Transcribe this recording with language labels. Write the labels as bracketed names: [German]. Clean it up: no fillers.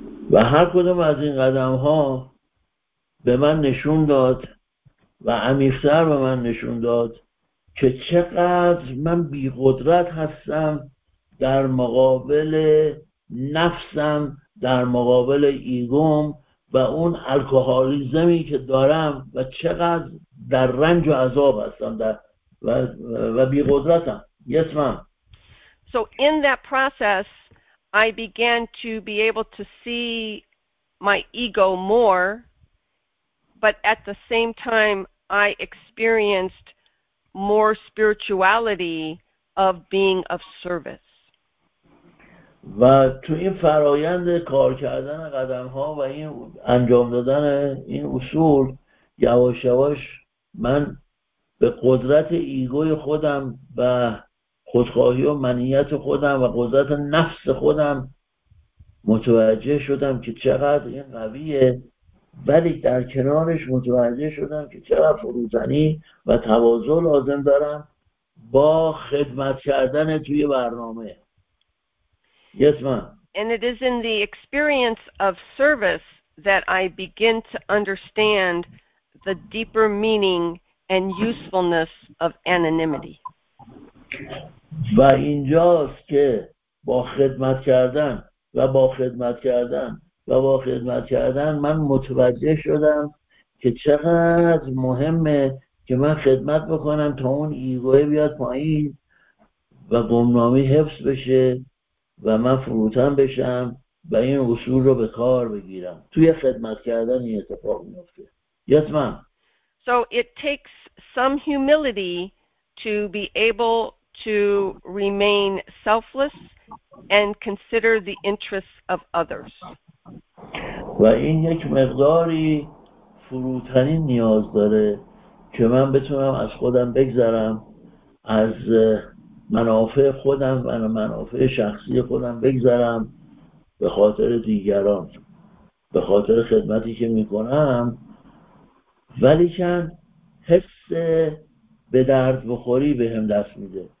[Persian] و هر کدوم از این قدم ها به من نشون داد و عمیق‌تر به من نشون داد که چقدر من بی‌قدرت هستم در مقابل نفسم، در مقابل ایگوم و اون الکوهالیزمی که دارم و چقدر در رنج و عذاب هستم در و بی قدرتم. [English] Yes, ma'am. So in that process I began to be able to see my ego more, but at the same time I experienced more spirituality of being of service. [Persian] و تو این فرایند کار کردن قدم ها و این انجام دادن این اصول یواش یواش من به قدرت ایگوی خودم و خودخواهی و منیت خودم و قدرت نفس خودم متوجه شدم که چقدر این قویه، ولی در کنارش متوجه شدم که چقدر فروتنی و تواضع لازم دارم با خدمت کردن توی برنامه. [English] Yes, ma'am. And it is in the experience of service that I begin to understand the deeper meaning and usefulness of anonymity. [Persian] و اینجاست که با خدمت کردن و با خدمت کردن و با خدمت کردن من متوجه شدم که چقدر مهمه که من خدمت بکنم تا اون ایگوه بیاد پایین و گمنامی حفظ بشه و من فروتن بشم و این اصول رو به کار بگیرم. توی خدمت کردن این اتفاق میفته. [English] Yes, ma'am. So it takes some humility to be able to remain selfless and consider the interests of others. [Persian] و این یک مقداری فروتنی نیاز داره که من بتونم از خودم بگذرم، از منافع خودم و منافع شخصی خودم بگذرم به خاطر دیگران، به خاطر خدمتی که می کنم، ولی چند حس به درد بخوری به هم دست میده.